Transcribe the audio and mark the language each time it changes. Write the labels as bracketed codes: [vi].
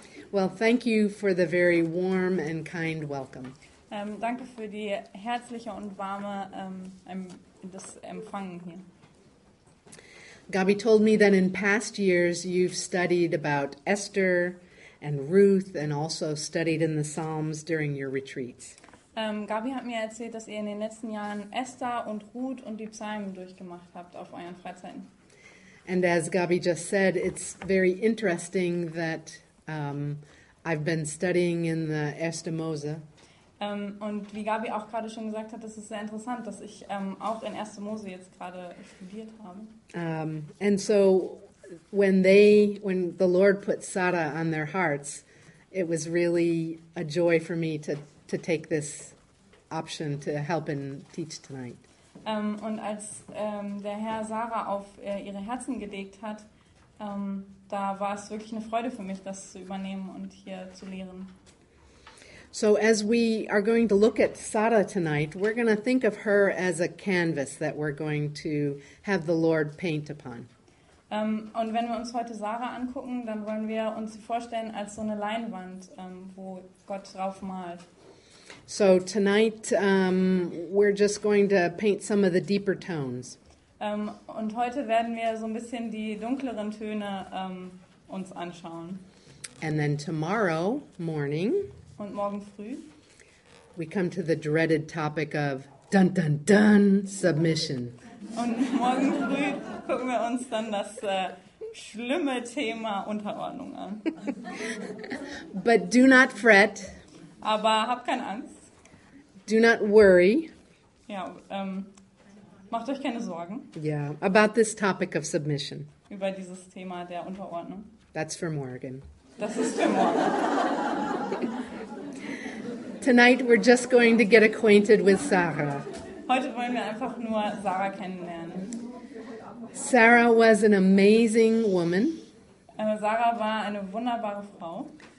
[en] Well, thank you for the very warm and kind welcome. [de] Danke für die herzliche und warme das Empfangen hier. [en] Gabi told me that in past years you've studied about Esther and Ruth and also studied in the Psalms during your retreats. [de] Gabi hat mir erzählt, dass ihr in den letzten Jahren Esther und Ruth und die Psalmen durchgemacht habt auf euren Freizeiten. [en] And as Gabi just said, it's very interesting that I've been studying in the Erste Mose. [de] Und wie Gabi auch gerade schon gesagt hat, das ist sehr interessant, dass ich auch in Erste Mose jetzt gerade studiert habe. [en] And so when the Lord put Sarah on their hearts, it was really a joy for me to take this option to help and teach tonight. [de] Und als der Herr Sarah auf ihre Herzen gelegt hat, da war es wirklich eine Freude für mich, das zu übernehmen und hier zu lehren. [en] So as we are going to look at Sarah tonight, we're going to think of her as a canvas that we're going to have the Lord paint upon. [de] Und wenn wir uns heute Sarah angucken, dann wollen wir uns sie vorstellen als so eine Leinwand, wo Gott drauf malt. [en] So tonight we're just going to paint some of the deeper tones. [de] Und heute werden wir so ein bisschen die dunkleren Töne uns anschauen. [en] And then tomorrow morning. [de] Und morgen früh. [en] We come to the dreaded topic of dun dun dun submission. [de] Und morgen früh gucken wir uns dann das schlimme Thema Unterordnung an. [en] But do not fret. [de] Aber hab keine Angst. [en] Do not worry. [de] Ja, macht euch keine Sorgen. [en] Yeah, about this topic of submission. [de] Über dieses Thema der Unterordnung. [en] That's for Morgan. [de] Das ist für Morgan. [en] Tonight we're just going to get acquainted with Sarah. [de] Heute wollen wir einfach nur Sarah kennenlernen. [en] Sarah was an amazing woman. [de] Sarah war eine wunderbare Frau.